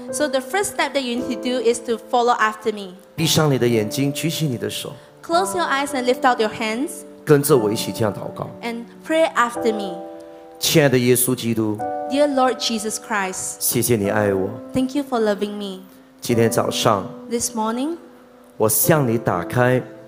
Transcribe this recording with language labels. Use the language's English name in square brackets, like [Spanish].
[English] So the first step that you need to do Is to follow after me [Chinese] 闭上你的眼睛举起你的手 [English] Close your eyes and lift out your hands [Chinese] 跟着我一起这样祷告 [English] And pray after me [Chinese] 亲爱的耶稣基督 [English] Dear Lord Jesus Christ [Chinese] 谢谢你爱我 [English] Thank you for loving me [Chinese] 今天早上 [English] This morning [Chinese] 我向你打开